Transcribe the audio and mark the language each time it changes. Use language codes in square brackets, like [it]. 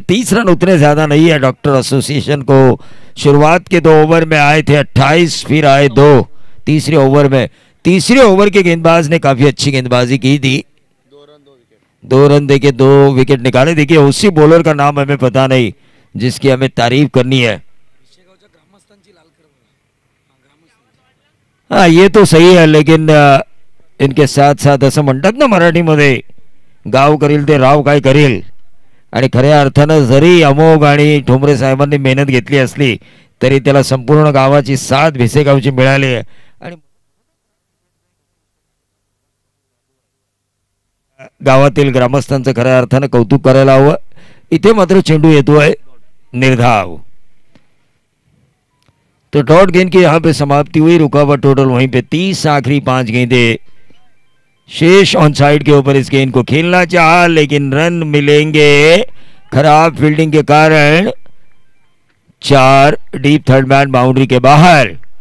[hi] 30 run उतने ज्यादा नहीं है डॉक्टर एसोसिएशन को, शुरुआत के 2 ओवर में आए थे 28, फिर आए 2 तीसरे ओवर में। तीसरे ओवर के गेंदबाज ने काफी अच्छी गेंदबाजी की थी, 2 रन देके 2 विकेट निकाले। देखिए उसी बॉलर का नाम हमें पता नहीं जिसकी हमें तारीफ करनी है। हाँ ये तो सही है, लेकिन इनके साथ साथ [mr] असं म्हणतात ना मराठी मध्ये, गाव करील ते राव काय करील, आणि खऱ्या अर्थाने जरी अमोघ आणि ठोंबरे साहेबांनी मेहनत घेतली असली तरी त्याला संपूर्ण गावाची साथ भिसेगावची मिळाली आहे। आणि गावातील ग्रामस्थांचं खऱ्या अर्थाने कौतुक करायला हवं। इथे मात्र चेंडू येतोय निर्धाव, [hi] तो डॉट गेंद की यहां पे समाप्ति हुई, रुकावट टोटल वहीं पे 30 आखिरी 5 गेंदे शेष ऑन साइड के ऊपर। इस गेंद को खेलना चाहा लेकिन रन मिलेंगे खराब फील्डिंग के कारण, 4 डीप थर्ड मैन बाउंड्री के बाहर।